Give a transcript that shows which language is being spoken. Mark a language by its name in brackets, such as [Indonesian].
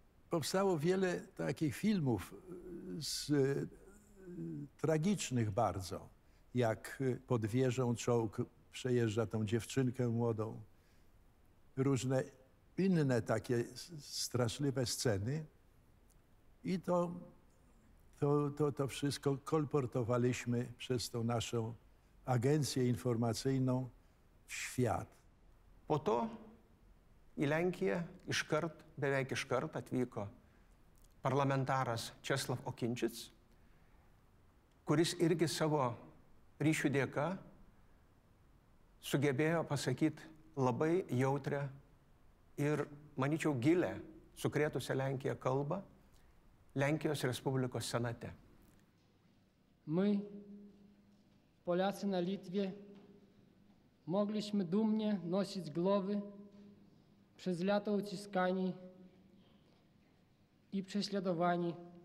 [Polish] Powstało wiele takich filmów tragicznych bardzo, jak pod wieżą czołg przejeżdża tą dziewczynkę młodą. Różne inne takie straszliwe sceny i to wszystko kolportowaliśmy przez tą naszą agencję informacyjną w świat. [Lithuanian] Po to i Lenkiję beveik iškart atvyko parlamentaras Česlav Okinčic, kuris irgi savo ryšių dėka sugebėjo pasakyti labai jautrią ir, manyčiau, gilę sukrėtusią Lenkiją kalbą Lenkijos Respublikos senate. [Polish] My, Polacy na Litvie, mogliśmy dumnie nosić głowy przez lata uciskani i prześladowani.